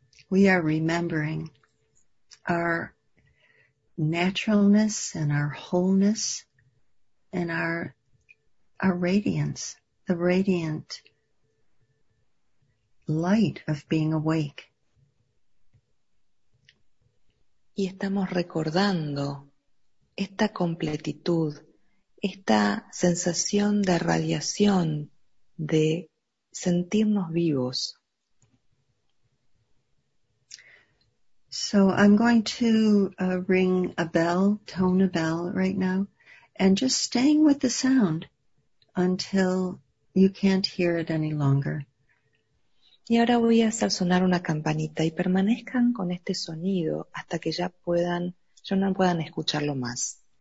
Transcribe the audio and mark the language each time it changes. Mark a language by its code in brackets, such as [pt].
[en] We are remembering our naturalness and our wholeness and our radiance, the radiant light of being awake. [es] Y estamos recordando esta completitud, esta sensación de radiación, de sentirnos vivos. [en] So I'm going to ring a bell, tone a bell right now, and just staying with the sound until you can't hear it any longer. [es] Y ahora voy a hacer sonar una campanita y permanezcan con este sonido hasta que ya no puedan escucharlo más.